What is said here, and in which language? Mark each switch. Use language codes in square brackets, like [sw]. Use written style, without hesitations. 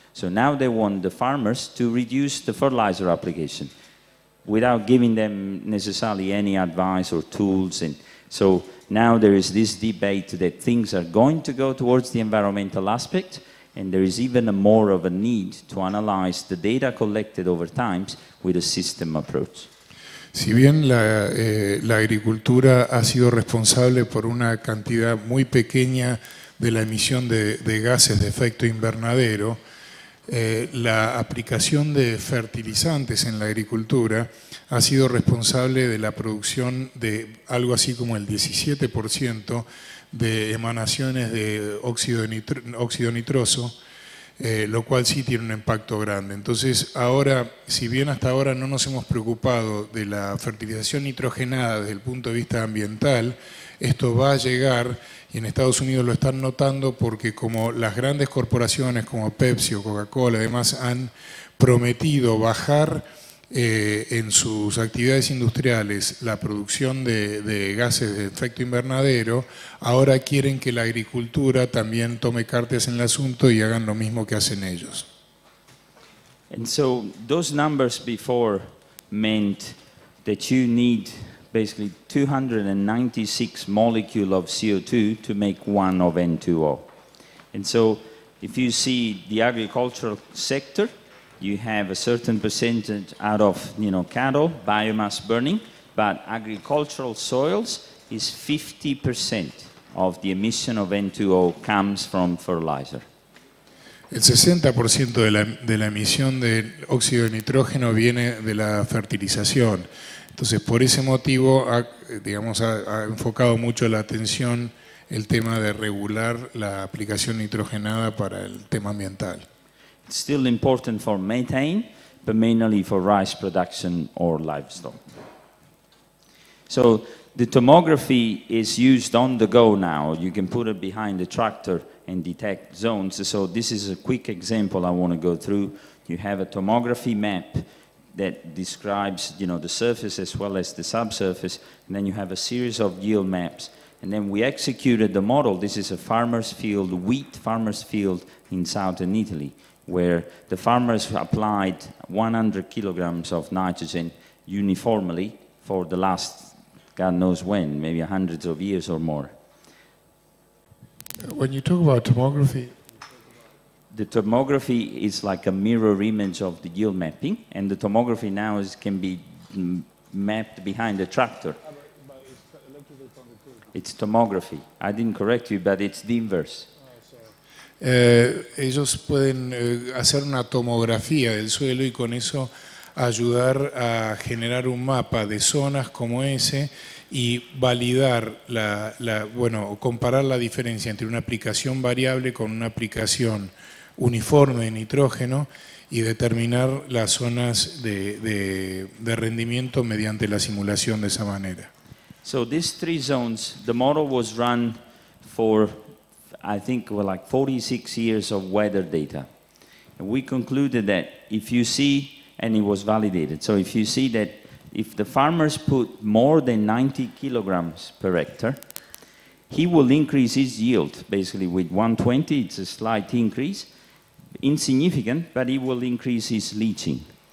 [en] So now they want the farmers to reduce the fertilizer application, without giving them necessarily any advice or tools. And so now there is this debate that things are going to go towards the environmental aspect, and there is even more of a need to analyze the data collected over time with a system approach. [es] Si bien la agricultura ha sido responsable por una cantidad muy pequeña de la emisión de gases de efecto invernadero, la aplicación de fertilizantes en la agricultura ha sido responsable de la producción de algo así como el 17% de emanaciones de óxido nitroso, lo cual sí tiene un impacto grande. Entonces, ahora, si bien hasta ahora no nos hemos preocupado de la fertilización nitrogenada desde el punto de vista ambiental, esto va a llegar. Y en Estados Unidos lo están notando porque como las grandes corporaciones como Pepsi o Coca-Cola además han prometido bajar en sus actividades industriales la producción de gases de efecto invernadero, ahora quieren que la agricultura también tome cartas en el asunto y hagan lo mismo que hacen ellos. [en] And so those numbers before meant that you need basically 296 molecule of CO2 to make one of N2O. And so if you see the agricultural sector, you have a certain percentage out of, you know, cattle, biomass burning, but agricultural soils is 50% of the emission of N2O comes from fertilizer. [es] El 60% de la emisión de óxido de nitrógeno viene de la fertilización. Entonces, por ese motivo, ha enfocado mucho la atención el tema de regular la aplicación nitrogenada para el tema ambiental. [en] It's still important for methane, but mainly for rice production or livestock. So the tomography is used on the go now. You can put it behind the tractor and detect zones. So this is a quick example I want to go through. You have a tomography map that describes, you know, the surface as well as the subsurface, and then you have a series of yield maps. And then we executed the model. This is a farmer's field, wheat farmer's field in southern Italy, where the farmers applied 100 kilograms of nitrogen uniformly for the last, God knows when, maybe hundreds of years or more. When you talk about tomography, the tomography is like a mirror image of the yield mapping, and the tomography now is, can be mapped behind the tractor. It's tomography. I didn't correct you, but it's the inverse. [es] Ellos pueden hacer una tomografía del suelo y con eso ayudar a generar un mapa de zonas como ese y validar, comparar la diferencia entre una aplicación variable con una aplicación uniforme de nitrógeno y determinar las zonas de rendimiento mediante la simulación de esa manera. [en] So these three zones, the model was run for, I think, well, like 46 years of weather data. And we concluded that if you see, and it was validated, so if you see that if the farmers put more than 90 kilograms per hectare, he will increase his yield, basically with 120, it's a slight increase, insignificant, but he will increase his leaching.